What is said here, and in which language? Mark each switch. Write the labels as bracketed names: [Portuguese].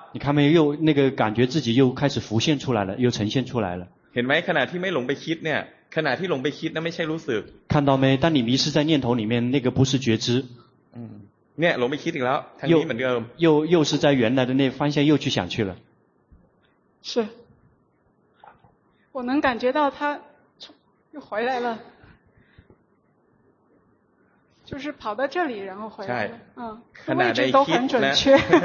[Chinese] 你看没有又那个感觉自己又开始浮现出来了又呈现出来了 [Thai] เห็นไหมขณะที่ไม่หลงไปคิดเนี่ยขณะที่หลงไปคิดนั่นไม่ใช่รู้สึก [Chinese] 看到没当你迷失在念头里面那个不是觉知 [Thai] เนี่ยหลงไปคิดอีกแล้วทางนี้เหมือนเดิม [Chinese] 又是在原来的那方向又去想去了是我能感觉到他又回来了就是跑到这里然后回来了嗯位置都很准确